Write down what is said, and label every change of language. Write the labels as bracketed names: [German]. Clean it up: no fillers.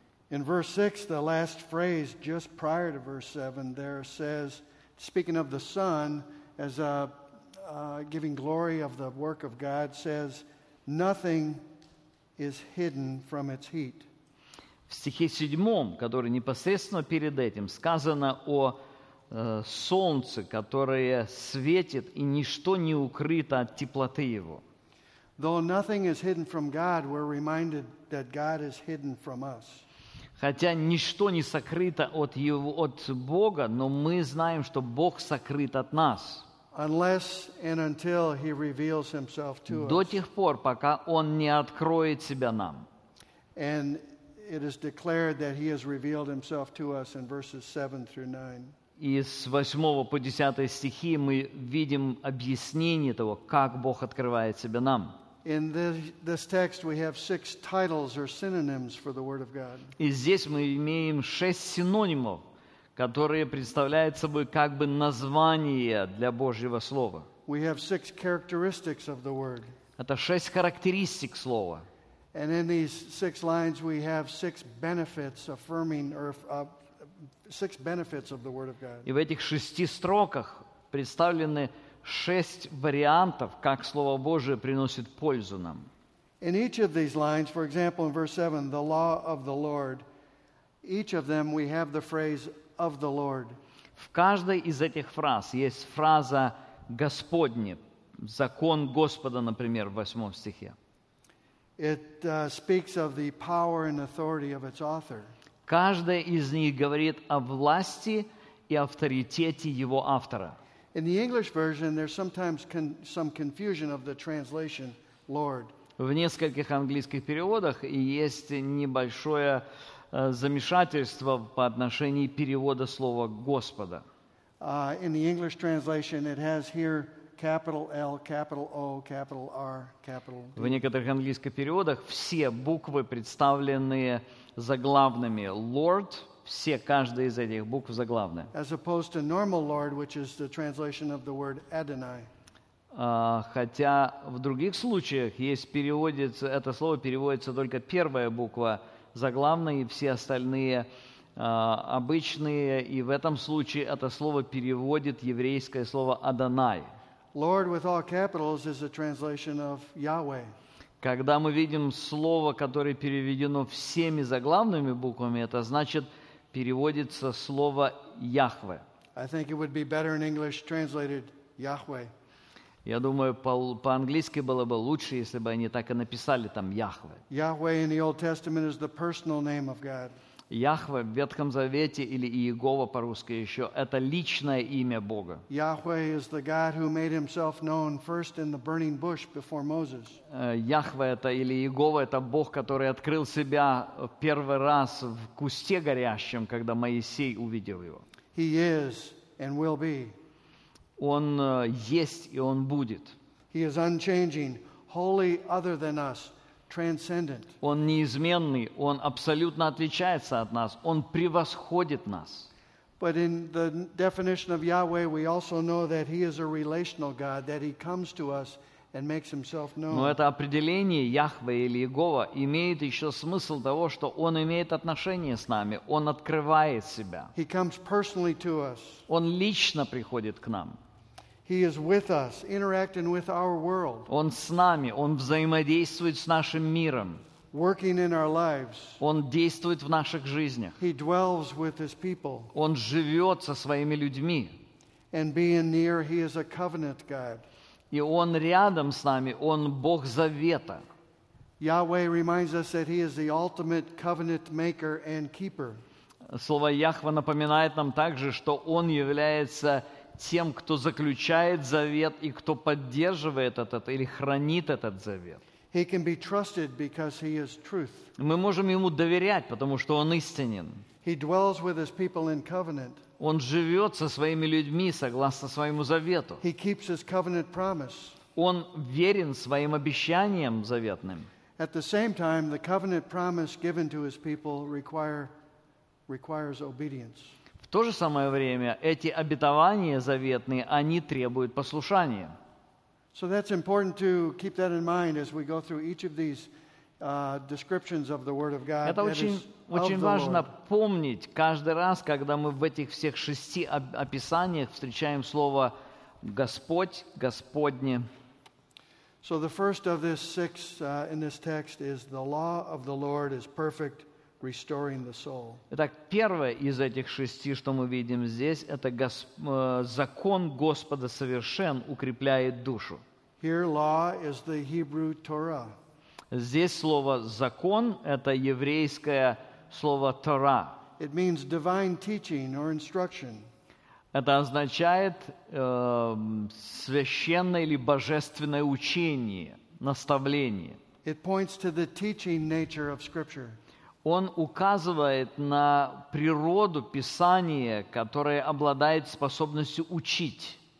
[English] In verse 6, the last phrase, just prior to verse 7, there says, speaking of the Son, as giving glory of the work of God, says, nothing is hidden from its heat. [Russian] В стихе 7, который непосредственно перед этим, сказано о солнце, которое светит, и ничто не укрыто от теплоты его. [English] Though nothing is hidden from God, we're reminded that God is hidden from us. [Russian] Хотя ничто не сокрыто от его, от Бога, но мы знаем, что Бог сокрыт от нас. [English] Unless and until he reveals himself to us. [Russian] До тех пор, пока он не откроет себя нам. [English] And it is declared that he has revealed himself to us in verses 7 through 9. [Russian] И с 8 по 10 стихи мы видим объяснение того, как Бог открывает себя нам. И здесь мы имеем шесть синонимов, которые представляют собой как бы название для Божьего Слова. [English] We have six characteristics of the word. [Russian] Это шесть характеристик Слова. [English] And in these six lines we have six benefits affirming or six benefits of the Word of God. [Russian] И в этих шести строках представлены шесть вариантов, как Слово Божие приносит пользу нам. [English] In each of these lines, for example, in verse 7, the law of the Lord, each of them we have the phrase of the Lord. [Russian] В каждой из этих фраз есть фраза Господне, закон Господа, например, в 8 стихе. [English] It speaks of the power and authority of its author. [Russian] Каждая из них говорит о власти и авторитете его автора. [English] In the English version, there's sometimes some confusion of the translation "Lord". [Russian] В нескольких английских переводах есть небольшое замешательство по отношению перевода слова Господа. [English] In the English translation, it has here capital L, capital O, capital R, capital D. [Russian] В некоторых английских переводах все буквы представлены заглавными Lord, все, каждая из этих букв заглавная. [English] As opposed to normal Lord, which is the translation of the word Adonai. [Russian] Хотя в других случаях есть переводится, это слово переводится только первая буква заглавная, и все остальные обычные, и в этом случае это слово переводит еврейское слово Адонай. [English] Lord with all capitals is a translation of Yahweh. [Russian] Когда мы видим слово, которое переведено всеми заглавными буквами, это значит, переводится слово Яхве. [English] I think it would be better in English translated Yahweh. [Russian] Я думаю, по-английски было бы лучше, если бы они так и написали там Яхве. [English] Yahweh in the Old Testament is the personal name of God. [Russian] Яхве в Ветхом Завете или Иегова по-русски еще – это личное имя Бога. Яхве это или Иегова – это Бог, который открыл себя первый раз в кусте горящем, когда Моисей увидел его. [English] He is and will be. [Russian] Он есть и он будет. [English] He is unchanging, holy other than us. Transcendent. [Russian] Он неизменный, он абсолютно отличается от нас, он превосходит нас. [English] But in the definition of Yahweh, we also know that He is a relational God, that He comes to us and makes Himself known. [Russian] Но это определение Яхве или Иегова имеет еще смысл того, что Он имеет отношение с нами, Он открывает себя. [English] He comes personally to us. [Russian] Он лично приходит к нам. [English] He is with us, interacting with our world. [Russian] Он с нами, он взаимодействует с нашим миром. [English] Working in our lives. [Russian] Он действует в наших жизнях. [English] He dwells with his people. [Russian] Он живет со своими людьми. [English] And being near, he is a covenant God. [Russian] И он рядом с нами, он Бог завета. [English] Yahweh reminds us that he is the ultimate covenant maker and keeper. [Russian] Слово Яхва напоминает нам также, что он является тем, кто заключает завет и кто поддерживает этот или хранит этот завет. [English] He can be trusted because he is truth. [Russian] Мы можем ему доверять, потому что он истинен. [English] He dwells with his people in covenant. [Russian] Он живет со своими людьми согласно своему завету. [English] He keeps his covenant promise. [Russian] Он верен своим обещаниям заветным. [English] At the same time, the covenant promise given to his people requires obedience. [Russian] В то же самое время эти обетования заветные, они требуют послушания. [English] So that's important to keep that in mind as we go through each of these descriptions of the Word of God. [Russian] Это очень важно помнить каждый раз, когда мы в этих всех шести описаниях встречаем слово Господь, Господне. [English] So the first of these six in this text is the law of the Lord is perfect. Restoring the soul. [Russian] Итак, первое из этих шести, что мы видим здесь, это закон Господа совершен, укрепляет душу. [English] Here law is the Hebrew Torah. [Russian] Здесь слово закон – это еврейское слово Torah. [English] It means divine teaching or instruction. [Russian] Это означает священное или божественное учение, наставление. [English] It points to the teaching nature of Scripture. [Russian] Он указывает на природу Писания, которое обладает способностью учить.